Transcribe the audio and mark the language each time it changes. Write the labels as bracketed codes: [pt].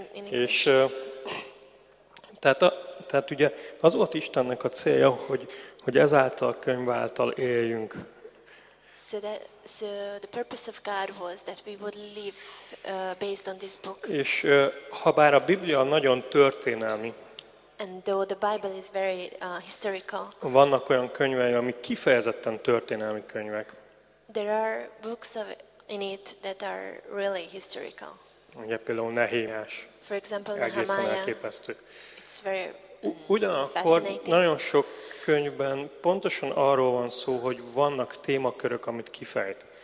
[hu] És tehát ugye az volt Istennek a célja, hogy ezáltal könyv által éljünk. [en] So the purpose of God was that we would live based on this book. [hu] És habár a Biblia nagyon történelmi. [en] And though the Bible is very historical. [hu] Vannak olyan könyvei, amik kifejezetten történelmi könyvek. [en] There are books in it that are really historical. [hu] Ugye például Nehémiás. [en] For example, Nehemiah. It's very [hu] ugyanakkor nagyon sok könyvben pontosan arról van szó, hogy vannak témakörök, amit kifejt.